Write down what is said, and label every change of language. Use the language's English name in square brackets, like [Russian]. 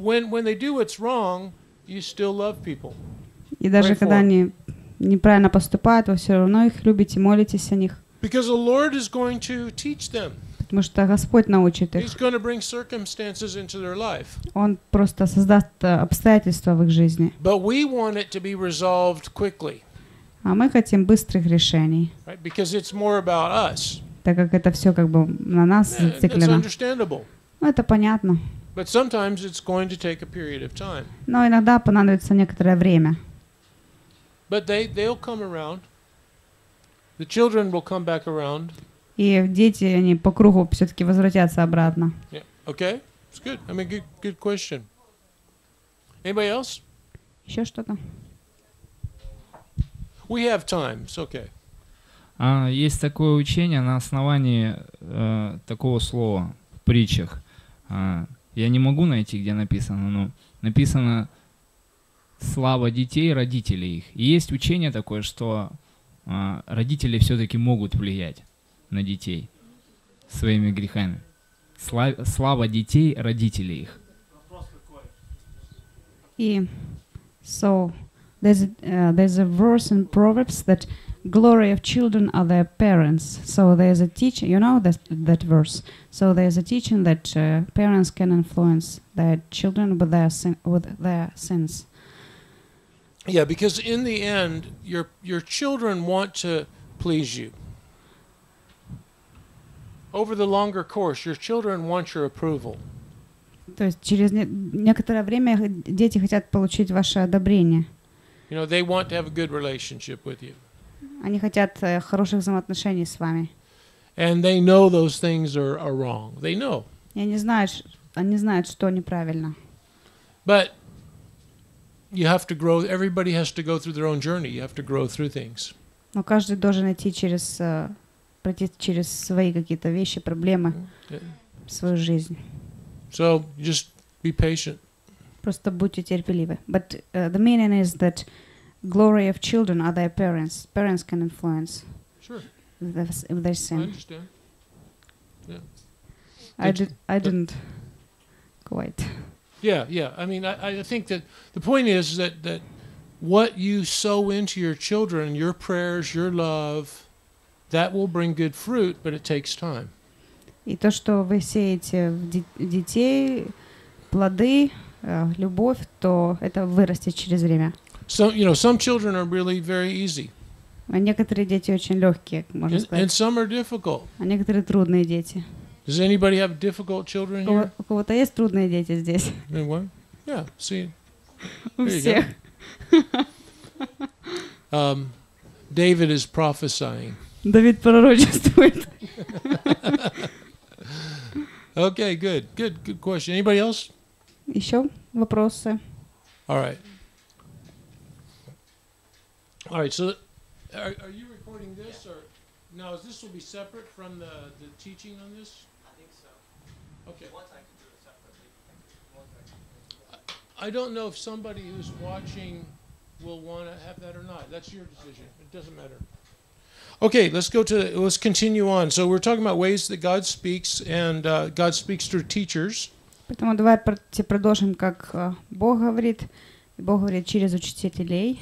[English] when they do what's wrong, you still love people. [Russian] И даже когда они неправильно поступают, вы все равно их любите, молитесь о них. [English] Because the Lord is going to teach them. [Russian] Потому что Господь научит их. [English] He's going to bring circumstances into their life. [Russian] Он просто создаст обстоятельства в их жизни. [English] But we want it to be resolved quickly. [Russian] А мы хотим быстрых решений. [English] Right? Because it's more about us. [Russian] Так как это все как бы на нас зациклено. [English] That's understandable. [Russian] Ну, это понятно. [English] But sometimes it's going to take a period of time. [Russian] Но иногда понадобится некоторое время. [English] But they'll come around. The children will come back around. [Russian] И дети, они по кругу все-таки возвратятся обратно. [English] Yeah. Okay, it's good. I mean, good question. Anybody else? [Russian] Еще что-то? [English] We have time, it's okay. [Russian] Есть такое учение на основании такого слова в притчах. Я не могу найти, где написано, но написано «слава детей, родителей их». И есть учение такое, что родители все-таки могут влиять на детей своими грехами. Слава детей, родителей их. [English] И so there's a verse in Proverbs that glory of children are their parents. So there's a teaching, you know that verse. So there's a teaching that parents can influence their children with their sins. Yeah, because in the end your children want to please you. Over the longer course, your children want your approval. [Russian] То есть через некоторое время дети хотят получить ваше одобрение. [English] You know, they want to have a good relationship with you. [Russian] Они хотят хороших взаимоотношений с вами. [English] And they know those things are wrong. They know. [Russian] И они знают, что неправильно. [English] But you have to grow. Everybody has to go through their own journey. You have to grow through things. [Russian] Но каждый должен идти через пройти через свои какие-то вещи, проблемы, okay. Свою жизнь. [English] So just be patient. [Russian] Просто будьте терпеливы. [English] But the meaning is that glory of children are their parents. Parents can influence. Sure. If they sin. I understand. Yeah. I didn't quite. Yeah, yeah. I mean, I think that the point is that what you sow into your children, your prayers, your love, that will bring good fruit, but it takes time. [Russian] И то, что вы сеете в детей плоды, любовь, то это вырастет через время. [English] So, you know, some children are really very easy. [Russian] А некоторые дети очень легкие, можно сказать. [English] And some are difficult. [Russian] А некоторые трудные дети. [English] Does anybody have difficult children here? [Russian] У кого-то есть трудные дети здесь? [English] Anyone? Yeah, see. [Russian] У всех. [English] David is prophesying. [Russian] Давид пророчествует. [English] Okay, good. Good question. Anybody else? [Russian] Еще вопросы. [English] All right, so are you recording this? Yeah. Or now, is this will be separate from the teaching on this? Okay. I don't know if somebody who's watching will want to have that or not. That's your decision. Okay. It doesn't matter. Okay, let's continue on. So we're talking about ways that God speaks, and God speaks through teachers. [Russian] Поэтому давай продолжим, как Бог говорит через учителей.